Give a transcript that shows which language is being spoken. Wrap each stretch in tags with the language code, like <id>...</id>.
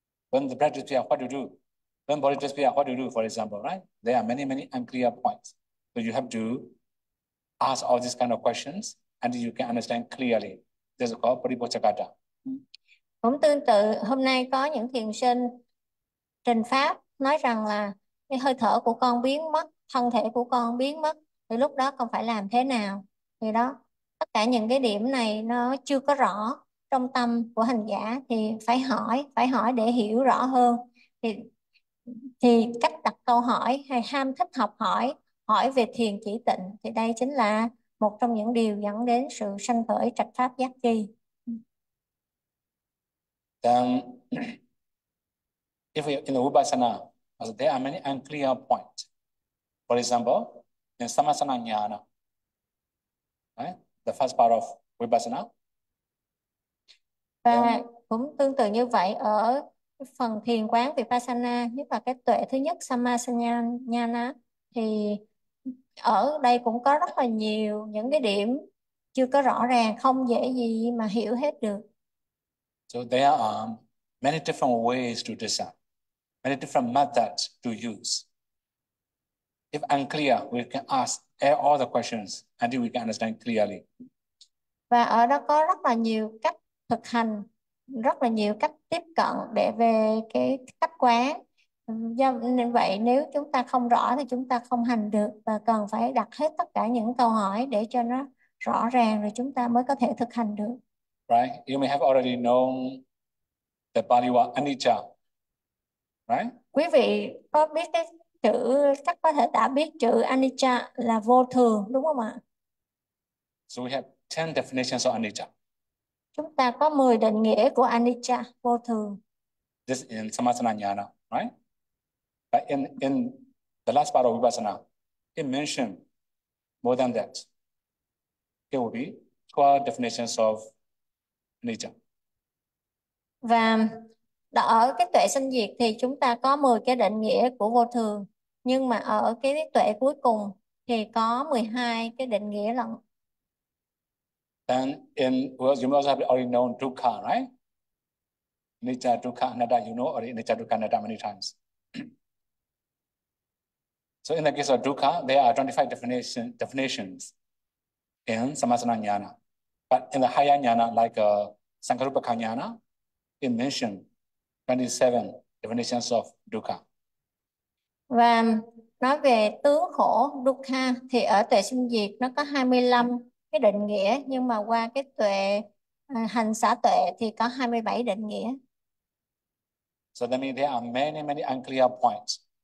<en>When the breath disappear, what do you do? When body disappear, what do you do? For example, right? There are many, many unclear points. So you have to ask all these kind of questions, and you can understand clearly. This is called paripocchakata.</en> <vi>Cũng tương tự, hôm nay có những thiền sinh trình pháp nói rằng là cái hơi thở của con biến mất, thân thể của con biến mất, thì lúc đó con phải làm thế nào? Thì đó, tất cả những cái điểm này nó chưa có rõ trong tâm của hành giả thì phải hỏi để hiểu rõ hơn. Thì cách đặt câu hỏi hay ham thích học hỏi, hỏi về thiền chỉ tịnh thì đây chính là một trong những điều dẫn đến sự sanh khởi trạch pháp giác chi.</vi> <en>Then, if we in the Upasana, there are many unclear points. For example, in Sammasana Jnana, right? The first part of Upasana.</en> <vi>Và cũng tương tự như vậy ở phần thiền quán Vipassana, nhất là cái tuệ thứ nhất Sammasajnana, thì ở đây cũng có rất là nhiều những cái điểm chưa có rõ ràng, không dễ gì mà hiểu hết được.</vi> <en>So there are many different ways to discern, many different methods to use. If unclear, we can ask all the questions until we can understand clearly.</en> <vi>Và ở đó có rất là nhiều cách thực hành, rất là nhiều cách tiếp cận để về cái cách quán. Do nên vậy nếu chúng ta không rõ thì chúng ta không hành được và cần phải đặt hết tất cả những câu hỏi để cho nó rõ ràng rồi chúng ta mới có thể thực hành được.</vi> <en>Right? You may have already known the body was anicca, right?</en> <vi>Quý vị có biết cái chữ, chắc có thể đã biết chữ anicca là vô thường đúng không ạ?</vi> <en>So we have 10 definitions of anicca.</en> <vi>Chúng ta có 10 định nghĩa của anicca, vô thường.</vi> <en>This is in Sammasana Jnana, right? But in the last part of Vipassana, it mentioned more than that. It will be 12 definitions of nature.</en> <vi>Và ở cái tuệ sanh diệt thì chúng ta có 10 cái định nghĩa của vô thường, nhưng mà ở cái tuệ cuối cùng thì có 12 cái định nghĩa lận.</vi> <en>Then in well, you must have already known dukkha, right? Nature, dukkha, anatta, you know already nature, dukkha, anatta many times. So in the case of dukkha, there are 25 definitions in Sammasana Jnana. But in the higher jnana, like Sankarupaka Jnana, it mentioned 27 definitions of dukkha.</en> <vi>Và nói về tướng khổ dukkha thì ở tuệ sinh diệt nó có 25 cái định nghĩa, nhưng mà qua cái tuệ hành xả tuệ thì có 27 định nghĩa.</vi> <en>So that means there are many, many unclear points.</en>